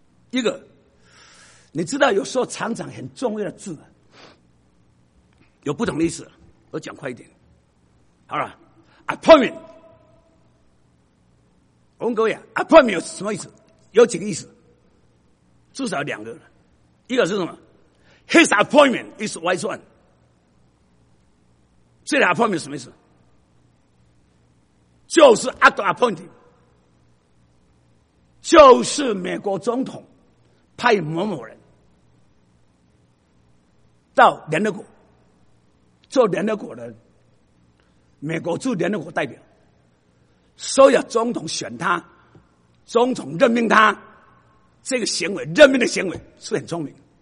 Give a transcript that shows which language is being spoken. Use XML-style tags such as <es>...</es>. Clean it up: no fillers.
<zh>一个你知道，有时候常常很重要的字有不同的意思，我讲快一点好了。 appointment， 我问各位啊， appointment 有什么意思？有几个意思？至少两个。一个是什么？</zh> <en>His appointment is wise one。</en> <zh>这个 appointment 什么意思？就是</zh> <en>act appointing，</en> <zh>就是美国总统派某某人到联合国做联合国的美国驻联合国代表，所以总统选他，总统任命他，这个行为，任命的行为是很聪明。</zh>